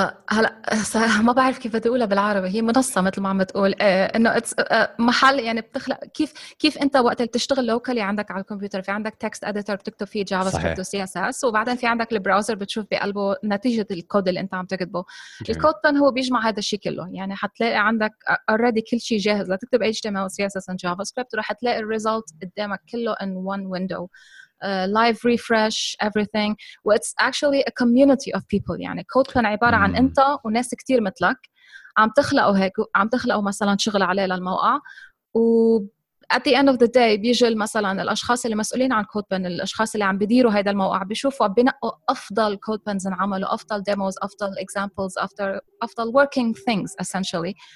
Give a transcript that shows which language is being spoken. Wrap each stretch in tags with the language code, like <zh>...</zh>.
<ar>هلا ما بعرف كيف بدي اقولها بالعربي. هي منصة مثل ما عم تقول انه اتس محل يعني بتخلق كيف انت وقت اللي بتشتغل لوكالي عندك على الكمبيوتر في عندك تكست اديتور بتكتب فيه جافا سكريبت وسي اس اس وبعدين في عندك البراوزر بتشوف بقلبه نتيجة الكود اللي انت عم تكتبه. الكود بن هو بيجمع هذا الشيء كله. يعني حتلاقي عندك اوريدي كل شيء جاهز لتكتب اتش تي ام ال وسي اس اس وجافا سكريبت وراح تلاقي الريزلت قدامك كله ان وان ويندو</ar> <en>live refresh everything. Well, it's actually a community of people.</en> <ar>يعني code pen عبارة عن أنت وناس كتير مثلك عم تخلقوا هيك عم تخلقوا مثلاً شغل عليه للموقع. و</ar> <en>at the end of the day</en> <ar>بيجي مثلاً الأشخاص اللي مسؤولين عن code pen الأشخاص اللي عم بديروا هيدا الموقع بيشوفوا بنقوا أفضل code pens انعملوا أفضل demos أفضل examples أفضل</ar> <en>working things essentially.</en>